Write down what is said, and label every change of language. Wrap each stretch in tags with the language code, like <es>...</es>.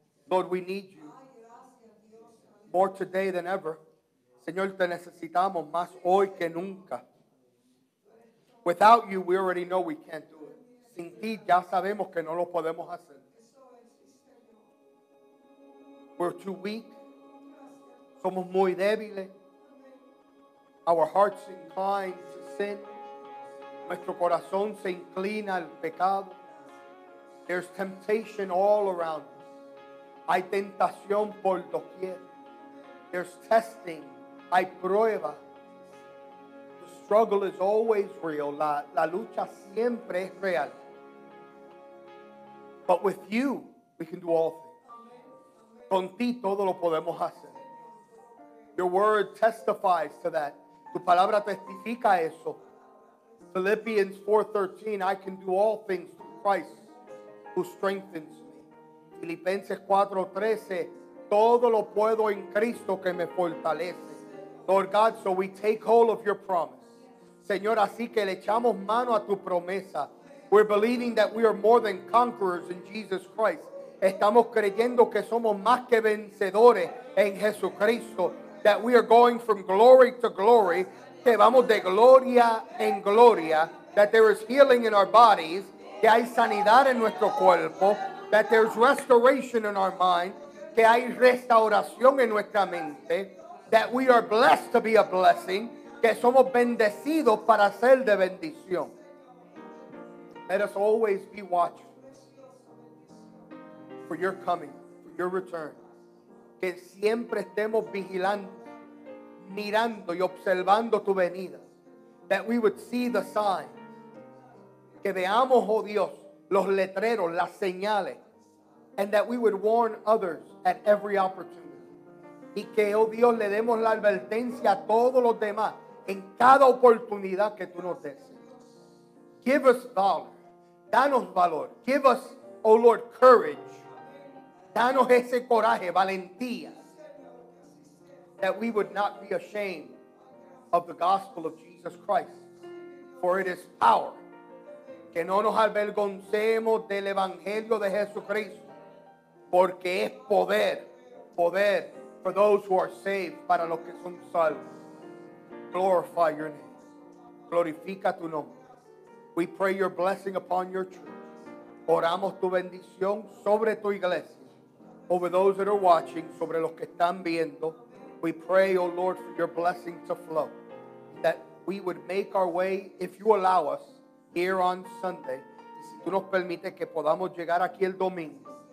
<en>Lord, we need you more today than ever.</en> <es>Señor, te necesitamos más hoy que nunca.</es> <en>Without you, we already know we can't do it.</en> <es>Sin ti, ya sabemos que no lo podemos hacer.</es> <en>We're too weak.</en> <es>Somos muy débiles.</es> <en>Our hearts incline to sin.</en> <es>Nuestro corazón se inclina al pecado.</es> <en>There's temptation all around us.</en> <es>Hay tentación por doquier.</es> <en>There's testing.</en> <es>Hay prueba.</es> <en>The struggle is always real.</en> <es>La lucha siempre es real.</es> <en>But with you, we can do all things.</en> <es>Con ti todo lo podemos hacer.</es> <en>Your word testifies to that.</en> <es>Tu palabra testifica eso.</es> <en>Philippians 4:13, I can do all things through Christ who strengthens me.</en> <es>Filipenses 4:13, todo lo puedo en Cristo que me fortalece.</es> <en>Lord God, so we take hold of your promise.</en> <es>Señor, así que le echamos mano a tu promesa.</es> <en>We're believing that we are more than conquerors in Jesus Christ.</en> <es>Estamos creyendo que somos más que vencedores en Jesucristo.</es> <en>That we are going from glory to glory,</en> <es>que vamos de gloria en gloria,</es> <en>that there is healing in our bodies,</en> <es>que hay sanidad en nuestro cuerpo,</es> <en>that there's restoration in our mind,</en> <es>que hay restauración en nuestra mente,</es> <en>that we are blessed to be a blessing,</en> <es>que somos bendecidos para ser de bendición.</es> <en>Let us always be watching for your coming, for your return.</en> <es>Que siempre estemos vigilando, mirando y observando tu venida.</es> <en>That we would see the sign.</en> <es>Que veamos, oh Dios, los letreros, las señales.</es> <en>And that we would warn others at every opportunity.</en> <es>Y que, oh Dios, le demos la advertencia a todos los demás en cada oportunidad que tú nos des.</es> <en>Give us valor.</en> <es>Danos valor.</es> <en>Give us, oh Lord, courage.</en> <es>Danos ese coraje, valentía.</es> <en>That we would not be ashamed of the gospel of Jesus Christ. For it is power.</en> <es>Que no nos avergoncemos del evangelio de Jesucristo. Porque es poder. Poder</es> <en>for those who are saved.</en> <es>Para los que son salvos.</es> <en>Glorify your name.</en> <es>Glorifica tu nombre.</es> <en>We pray your blessing upon your church.</en> <es>Oramos tu bendición sobre tu iglesia.</es> <en>Over those that are watching,</en> <es>sobre los que están viendo,</es> <en>we pray, oh Lord, for your blessing to flow. That we would make our way, if you allow us, here on Sunday.</en> <es>Si tú nos permites que podamos llegar aquí el domingo.</es>